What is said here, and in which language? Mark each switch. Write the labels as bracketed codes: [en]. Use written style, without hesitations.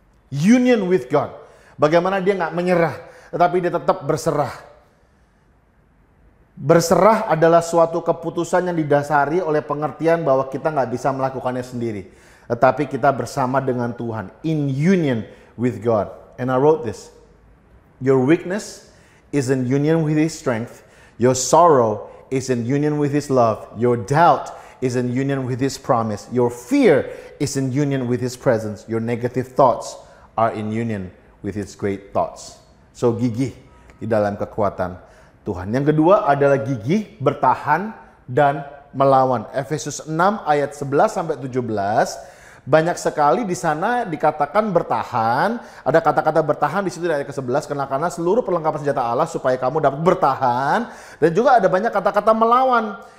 [id] Union with God. Bagaimana dia gak menyerah. Tetapi dia tetap berserah. Berserah adalah suatu keputusan yang didasari oleh pengertian bahwa kita gak bisa melakukannya sendiri. Tetapi kita bersama dengan Tuhan. [en] In union with God. And I wrote this. Your weakness is in union with His strength. Your sorrow is in union with His love. Your doubt is in union with His promise. Your fear is in union with His presence. Your negative thoughts are in union with His great thoughts. [id] So gigih di dalam kekuatan Tuhan. Yang kedua adalah gigih, bertahan, dan melawan. Efesus 6 ayat 11-17, banyak sekali di sana dikatakan bertahan, ada kata-kata bertahan di situ dari ayat ke-11, kenakanlah seluruh perlengkapan senjata Allah supaya kamu dapat bertahan, dan juga ada banyak kata-kata melawan.